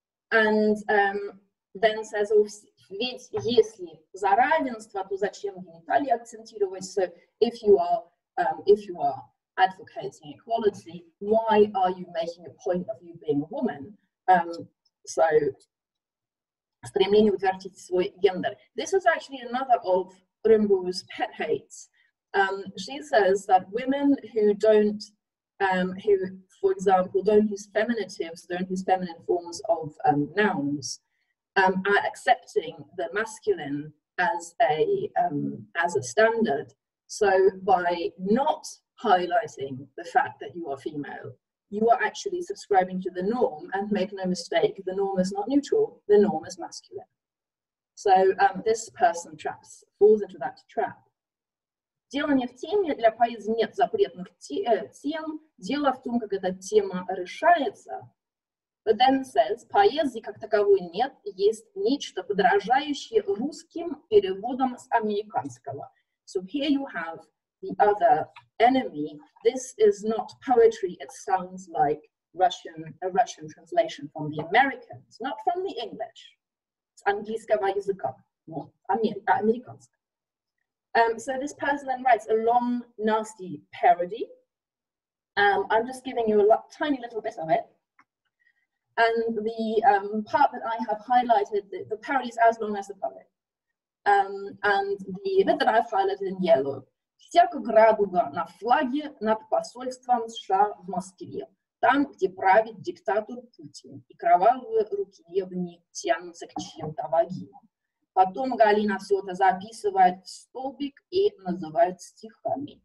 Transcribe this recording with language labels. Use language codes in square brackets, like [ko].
[en] Then says, [ru] ведь если за равенство, то зачем гениталии акцентировать? [en] So if you are advocating equality, why are you making a point of you being a woman? [ru] Стремление утвердить свой гендер. [en] This is actually another of Rymbu's pet hates. She says that women who don't, don't use feminatives, don't use feminine forms of nouns, are accepting the masculine as a standard. So by not highlighting the fact that you are female, you are actually subscribing to the norm, and make no mistake, the norm is not neutral, the norm is masculine. So this person falls into that trap. [ru] Дело не в теме, для поэзии нет запретных тем, дело в том, как эта тема решается. [en] But then says, [ru] поэзии как таковой нет, есть нечто подражающее русским переводам с американского. [en] So here you have the other enemy. This is not poetry, it sounds like a Russian translation from the Americans, not from the English. [ru] С английского языка, американского. [en] So this person then writes a long, nasty parody. I'm just giving you a tiny little bit of it. And the part that I have highlighted, the parody is as long as the poet. And the bit that I've highlighted in yellow. [ru] Всякая радуга на флаге над посольством США в Москве, там, где правит диктатор Путин, и кровавые руки ревни тянутся к чьим-то вагинам. Потом Галина все это записывает в столбик и называет стихами.